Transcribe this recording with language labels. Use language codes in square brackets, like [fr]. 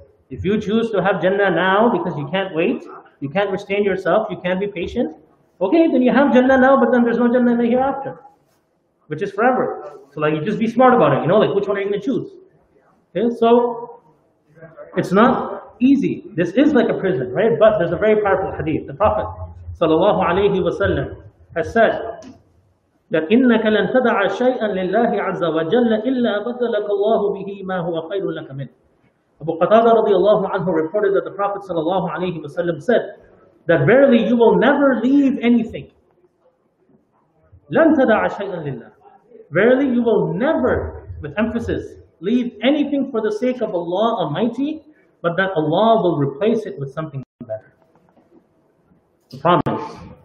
[en] If you choose to have Jannah now because you can't wait, you can't restrain yourself, you can't be patient, okay, then you have Jannah now, but then there's no Jannah in the hereafter, which is forever. So like, you just be smart about it, you know, like, which one are you going to choose? Okay, so it's not easy. This is like a prison, right? But there's a very powerful hadith. The Prophet sallallahu alayhi wa sallam has said that [ar] إِنَّكَ لَنْ تَدَعَ شَيْئًا لِلَّهِ عَزَّ وَجَلَّ إِلَّا بَدَّلَكَ اللَّهُ بِهِ مَا هُوَ خَيْرٌ لَكَ مِنْ. [en] Abu Qatada radiallahu anhu reported that the Prophet sallallahu alayhi wa sallam said that verily you will never leave anything. [ar] لَنْ تَدَعَ شَيْئًا لِلَّهِ. [en] Verily you will never, with emphasis, leave anything for the sake of Allah Almighty, but that Allah will replace it with something better. The promise.